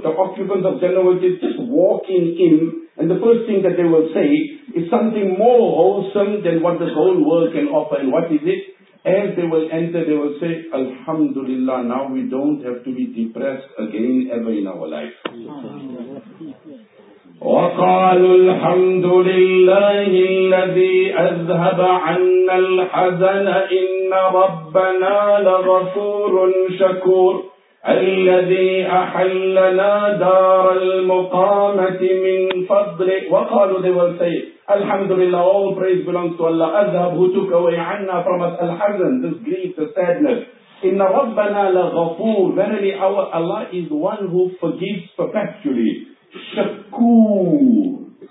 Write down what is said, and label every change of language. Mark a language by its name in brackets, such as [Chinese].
[English] The occupants of Jannah will just walking in, and the first thing that they will say is something more wholesome than what this whole world can offer. And what is it? As they will enter, they will say, Alhamdulillah, now we don't have to be depressed again ever in our life. [Arabic] وَقَالُوا الْحَمْدُ لِلَّهِ الَّذِي أَذْهَبَ عَنَّا الْحَزَنَ إِنَّ رَبَّنَا لَغَفُورٌ شَكُورٌ الذي أحلنا دار المقامة من فضل. [English] وقالوا, they will say, Alhamdulillah, all praise belongs to Allah. أذهب, who took away عنا from us الحزن, this grief, the sadness. [Arabic] إن ربنا لغفور. [English] Verily, our Allah is one who forgives perpetually. [Arabic] شكور.